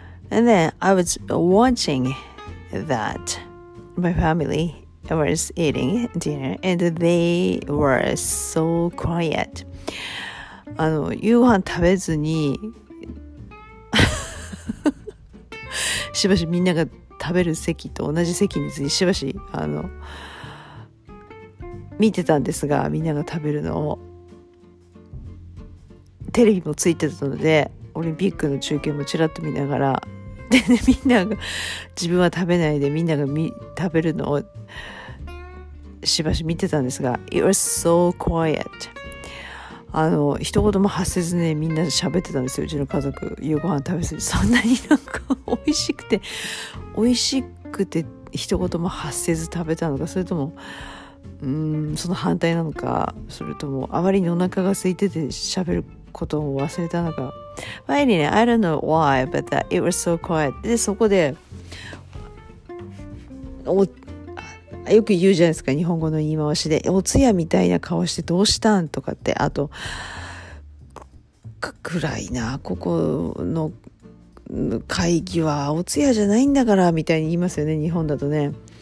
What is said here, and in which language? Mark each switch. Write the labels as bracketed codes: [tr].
[en] And then I was watching that my family was eating dinner, and they were so quiet. [ja] 夕飯食べずにしばしみんなが食べる席と同じ席についてしばし見てたんですが、みんなが食べるのをテレビもついてたので、オリンピックの中継もちらっと見ながら、で、ね、みんなが自分は食べないでみんなが食べるのをしばし見てたんですが、 [en] It was so quiet. [ja] 一言も発せずね、みんな喋ってたんですよ、うちの家族。夕ご飯食べずに、そんなになんか美味しくて一言も発せず食べたのか、それともその反対なのか、それともあまりにお腹が空いてて喋ることを忘れたのか。 [en] But anyway, I don't know why, but that it was so quiet. [ja] で、そこでよく言うじゃないですか、日本語の言い回しで、お通夜みたいな顔してどうしたんとかって、あと暗いな、ここの会議はお通夜じゃないんだからみたいに言いますよね、日本だとね。